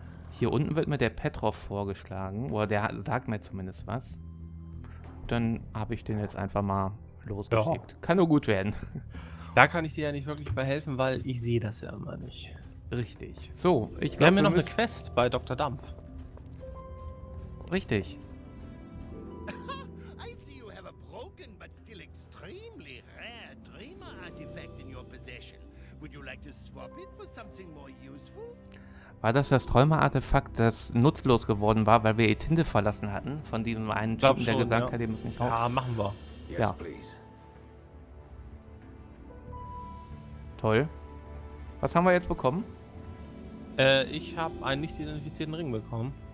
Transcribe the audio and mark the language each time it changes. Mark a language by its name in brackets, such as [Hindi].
[German] Hier unten wird mir der Petrov vorgeschlagen. Oder der sagt mir zumindest was. Dann habe ich den jetzt einfach mal losgeschickt. Ja. Kann nur gut werden. Da kann ich dir ja nicht wirklich behelfen, weil ich sehe das ja immer nicht. Richtig. So, ich glaube, wir haben noch eine Quest bei Dr. Dampf. Richtig. [English] I see you have a broken but still extremely rare dreamer artifact in your possession. Would you like to swap it for something more useful? [German] War das das Träumerartefakt, das nutzlos geworden war, weil wir die Tinte verlassen hatten? Von diesem einen Typen, der gesagt hat, ihr müsst nicht kaufen. Ja, machen wir. [English] Ja. Yes, please. [German] Toll. Was haben wir jetzt bekommen? Ich habe einen nicht identifizierten Ring bekommen.